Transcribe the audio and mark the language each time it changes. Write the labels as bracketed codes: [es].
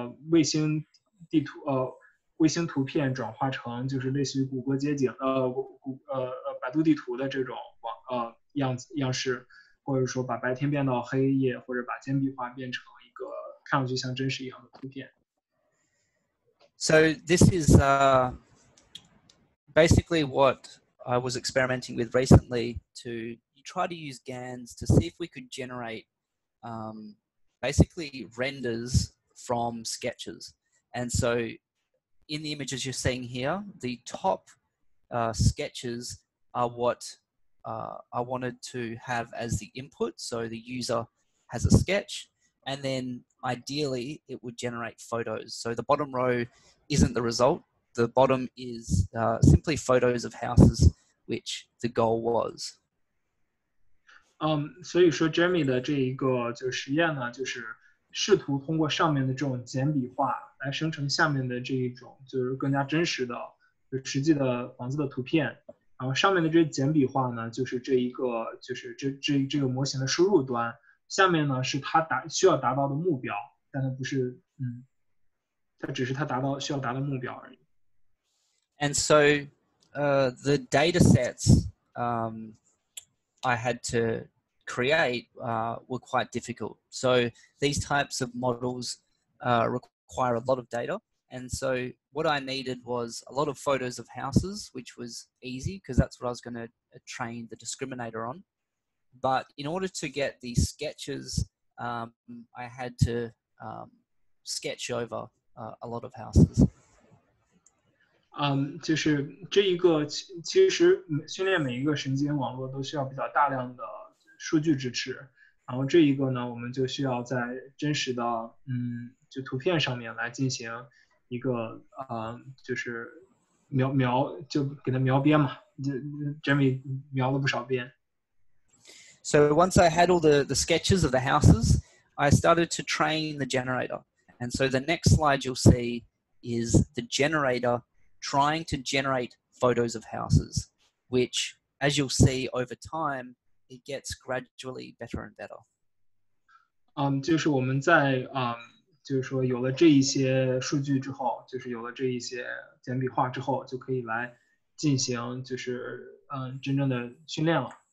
[zh] 卫星地图卫星图片转化成就是类似于谷歌街景百度地图的这种样式，或者说把白天变到黑夜，或者把间壁画变成一个看上去像真实一样的图片。 [en] So this is basically what I was experimenting with recently to try to use GANs to see if we could generate basically renders from sketches. And so in the images you're seeing here, the top sketches are what I wanted to have as the input. So the user has a sketch and then ideally it would generate photos. So the bottom row isn't the result. The bottom is simply photos of houses, which the goal was. [zh] 所以说 Jeremy 的这一个就实验呢，就是试图通过上面的这种简笔画来生成下面的这一种就是更加真实的就实际的房子的图片。然后上面的这简笔画呢，就是这一个就是这个模型的输入端。下面呢是它需要达到的目标。但它不是，嗯，它只是它达到需要达的目标而已。 [en] And so, the data sets, I had to create, were quite difficult. So these types of models, require a lot of data. And so what I needed was a lot of photos of houses, which was easy because that's what I was going to train the discriminator on. But in order to get these sketches, I had to sketch over a lot of houses. [zh] 就是这一个其实训练每一个神经网络都需要比较大量的数据支持，然后这一个呢，我们就需要在真实的就图片上面来进行一个就是描就给它描边嘛，就 Jeremy 描了不少边。 [en] So once I had all the sketches of the houses, I started to train the generator. And so the next slide you'll see is the generator trying to generate photos of houses, which, as you'll see over time, it gets gradually better and better. [zh] 就是我们在就是说有了这一些数据之后，就是有了这一些简笔画之后，就可以来进行就是真正的训练了。